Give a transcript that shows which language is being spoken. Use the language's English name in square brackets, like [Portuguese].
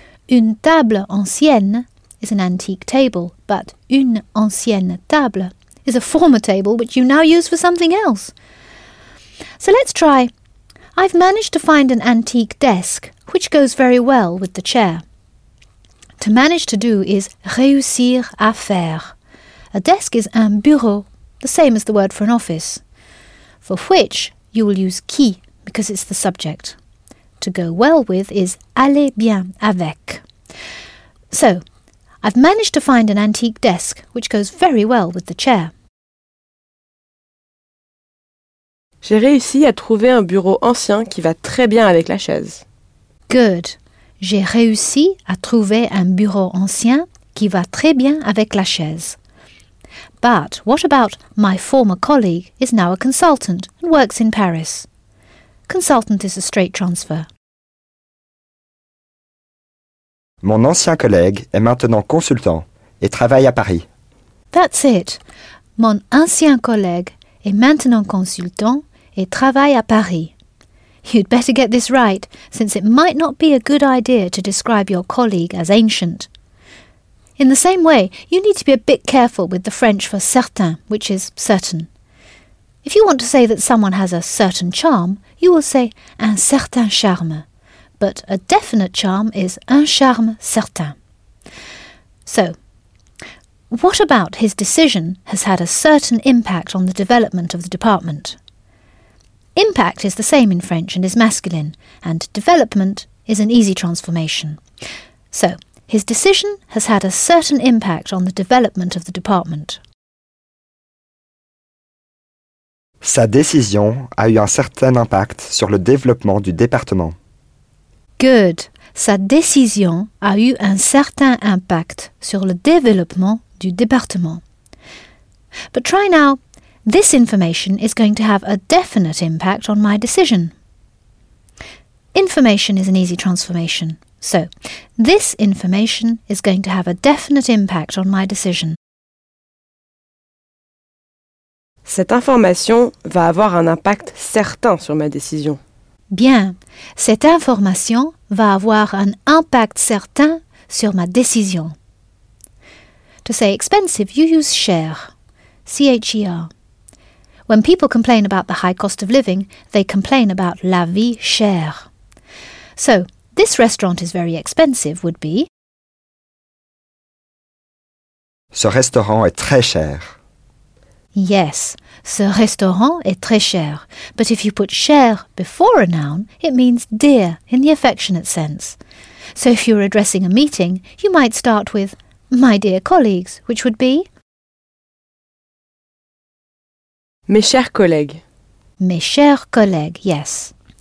[French] Une table ancienne [English] is an antique table, but [French] une ancienne table [English] is a former table which you now use for something else. So let's try. I've managed to find an antique desk, which goes very well with the chair. To manage to do is [French] réussir à faire. [English] A desk is [French] un bureau, [English] the same as the word for an office, for which you will use qui, because it's the subject. To go well with is [French] aller bien avec. [English] So, I've managed to find an antique desk, which goes very well with the chair. [French] J'ai réussi à trouver un bureau ancien qui va très bien avec la chaise. [English] Good. [French] J'ai réussi à trouver un bureau ancien qui va très bien avec la chaise. [English] But what about my former colleague is now a consultant and works in Paris? Consultant is a straight transfer. [French] Mon ancien collègue est maintenant consultant et travaille à Paris. [English] That's it. [French] Mon ancien collègue est maintenant consultant et travaille à Paris. [English] You'd better get this right, since it might not be a good idea to describe your colleague as ancient. In the same way, you need to be a bit careful with the French for certain, which is certain. If you want to say that someone has a certain charm, you will say [French] un certain charme. [English] But a definite charm is [French] un charme certain. [English] So, what about his decision has had a certain impact on the development of the department? Impact is the same in French and is masculine, and development is an easy transformation. So, his decision has had a certain impact on the development of the department. [French] Sa décision a eu un certain impact sur le développement du département. [English] Good. [French] Sa décision a eu un certain impact sur le développement du département. [English] But try now. This information is going to have a definite impact on my decision. Information is an easy transformation. So, this information is going to have a definite impact on my decision. [French] Cette information va avoir un impact certain sur ma décision. Bien. Cette information va avoir un impact certain sur ma décision. [English] To say expensive, you use cher. C-H-E-R. When people complain about the high cost of living, they complain about [French] la vie chère. [English] So, this restaurant is very expensive would be... [French] Ce restaurant est très cher. [English] Yes, [French] ce restaurant est très cher. [English] But if you put cher before a noun, it means dear in the affectionate sense. So if you're addressing a meeting, you might start with my dear colleagues, which would be... [French] Mes chers collègues. Mes chers collègues, [English] yes.